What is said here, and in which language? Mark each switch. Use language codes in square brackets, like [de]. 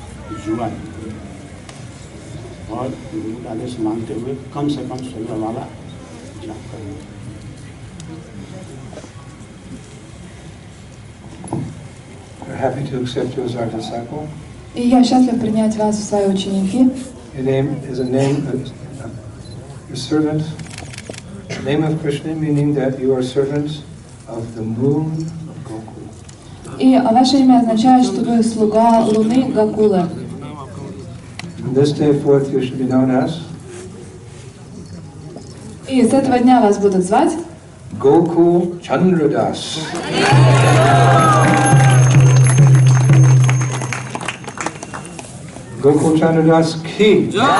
[hi] जुआ और गुरु का आदेश मानते हुए कम से कम सोलह माला जाप करना. [en] We're happy to accept you as our disciple. [ru] И я счастлив принять вас в свои ученики. [en] Your name is a name of your servant. The name of Krishna meaning that you are servants of the moon of Gokul. [ru] И ваше имя означает, что вы слуга луны Гокулы. [en] This day forth you should be known as. [ru] И с этого дня вас будут звать [en] Goku Chandradas. Goku Chandradas Ki.